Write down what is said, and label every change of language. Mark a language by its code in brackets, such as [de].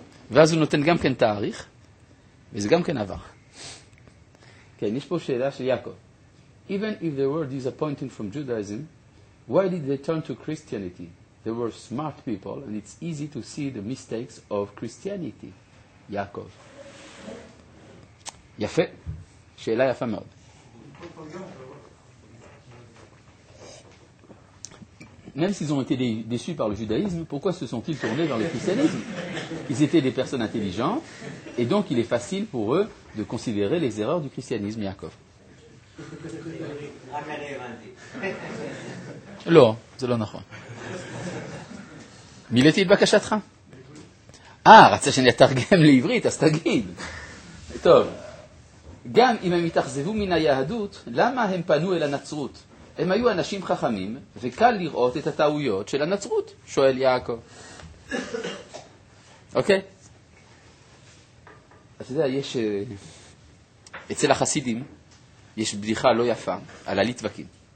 [he] ואז הוא נותן גם כן תאריך, וזה גם כן עבר. כן, יש פה שאלה של יעקב. [en] Even if they were disappointed from Judaism, why did they turn to Christianity? They were smart people, and it's easy to see the mistakes of Christianity. [he] יעקב. יפה. שאלה יפה מאוד. [fr] Même s'ils ont été déçus par le judaïsme, pourquoi se sont-ils tournés vers le christianisme? Ils étaient des personnes intelligentes, et donc il est facile pour eux de considérer les erreurs du christianisme, Yaakov. Non, c'est pas vrai. Mais il était pas caché à train. Ah, il faut que je traduise l'hébreu, c'est bien. C'est bon. [he] גם אם הם התאכזבו מן היהדות, למה הם פנו אל הנצרות? הם היו אנשים חכמים, וקל לראות את הטעויות של הנצרות, שואל יעקב. אוקיי? אתה יודע, יש... אצל החסידים, יש בדיחה לא יפה על הליטווקים.